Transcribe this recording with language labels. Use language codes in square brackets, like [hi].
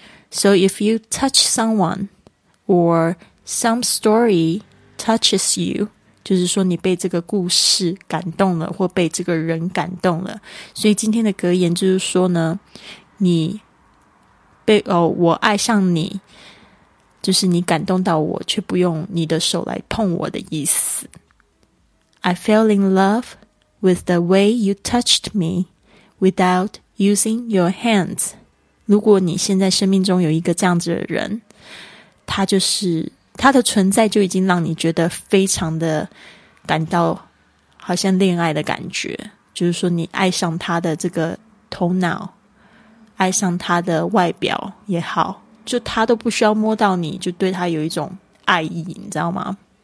[en] So if you touch someone or some story touches you， [zh] 就是说你被这个故事感动了，或被这个人感动了。所以今天的格言就是说呢，你被我爱上你，就是你感动到我，却不用你的手来碰我的意思。 [en] I fell in love with the way you touched me without using your hands. [zh] 如果你现在生命中有一个这样子的人，他的存在就已经让你觉得非常的感到好像恋爱的感觉，就是说你爱上他的这个头脑，爱上他的外表也好，就他都不需要摸到你，就对他有一种爱意，你知道吗？